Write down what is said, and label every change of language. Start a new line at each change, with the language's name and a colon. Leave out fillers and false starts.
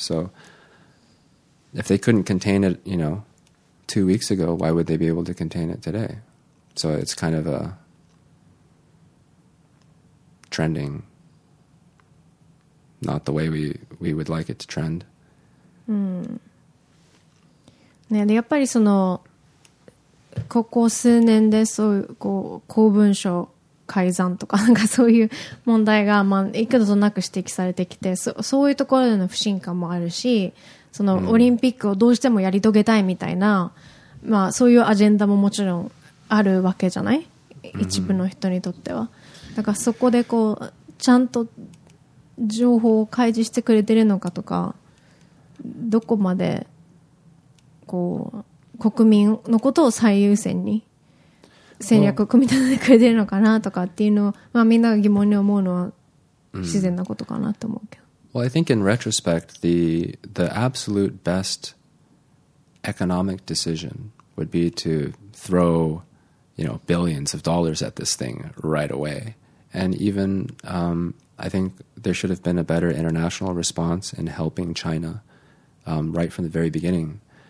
English: So if they couldn't contain it, you know, 2 weeks ago, why would they be able to contain it today? So it's kind of a trending, not the way we would like it to trend. Mm.
Japanese: Yeah, でやっぱりそのここ数年でそういうこう公文書改ざんとかなんかそういう問題がまあ幾度となく指摘されてきて、そういうところでの不信感もあるし、そのオリンピックをどうしてもやり遂げたいみたいな、まあそういうアジェンダももちろんあるわけじゃない、一部の人にとっては。だからそこでこうちゃんと情報を開示してくれてるのかとか、どこまでこう国民のことを最優先に戦略を組み立ててくれてるのかなとかっていうのを、まあ、みんなが疑問に思うのは自然なことかなと思うけど。
English: Well, I think in retrospect, the absolute best economic decision would be to throw, you know, billions of dollars at this thing right away. And even, I think there should have been a better international response in helping China, right from the very beginning.